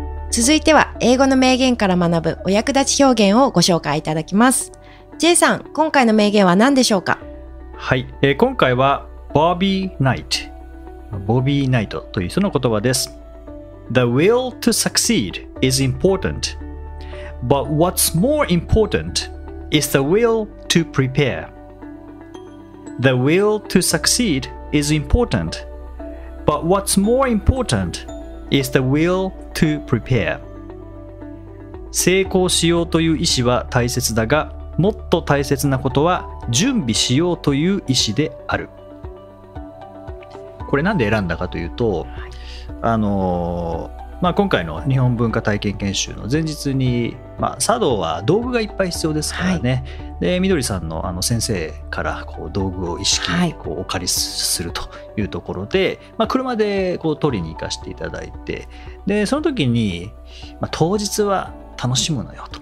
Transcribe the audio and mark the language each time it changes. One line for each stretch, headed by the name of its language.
Japanese: 続いては英語の名言から学ぶお役立ち表現をご紹介いただきます。 J さん、今回の名言は何でしょうか？はい、今回はボビーナイト、ボビーナイトという人の言葉です。
English: The will to succeed is important, but what's more importantIs the will to prepare. The will to succeed is important, but what's more important is the will to prepare.
Japanese: 成功しようという意思は大切だが、もっと大切なことは準備しようという意思である。これなんで選んだかというと、まあ、今回の日本文化体験研修の前日に、まあ、茶道は道具がいっぱい必要ですからね、はい、で、みどりさん の, 先生からこう道具を一式こうお借りするというところで、はい、まあ、車でこう取りに行かせていただいて、でその時に、まあ、当日は楽しむのよと、